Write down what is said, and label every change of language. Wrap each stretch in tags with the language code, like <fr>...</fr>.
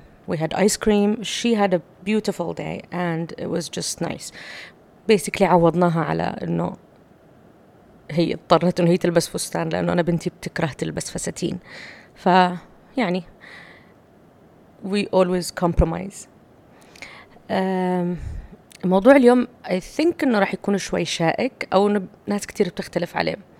<en>We had ice cream, she had a beautiful day and it was just nice.</en> <ar>بيسكلي عوضناها على انه هي اضطرت انه هي تلبس فستان لانه انا بنتي بتكره تلبس فساتين. ف يعني</ar> <en>we always compromise.</en> <ar>موضوع اليوم</ar> <en>I think</en> <ar>انه راح يكون شوي شائك او ناس كتير بتختلف عليه.</ar>